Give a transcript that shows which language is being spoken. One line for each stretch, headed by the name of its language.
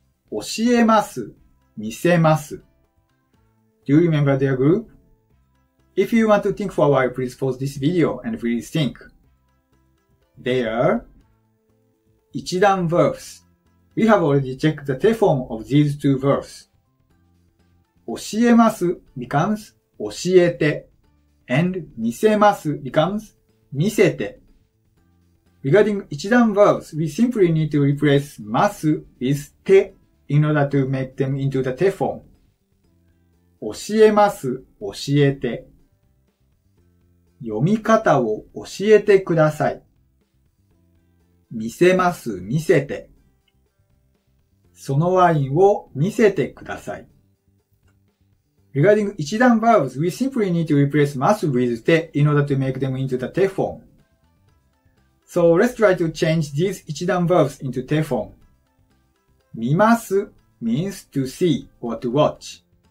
Japanese: 教えます見せます。
English: Do you remember their group? If you want to think for a while, please pause this video and please think. They are 一段 verbs. We have already checked the て form of these two verbs. 教えます becomes 教えて and 見せます becomes 見せて。 Regarding 一段 verbs, we simply need to replace ます with てin order to make them into the て form.
Japanese: 教えます、教えて。読み方を教えてください。見せます、見せて。そのワインを見せてください。
English: Regarding 一段 verbs, we simply need to replace ます with て in order to make them into the て form. So let's try to change these 一段 verbs into て form. 見ます means to see or to watch.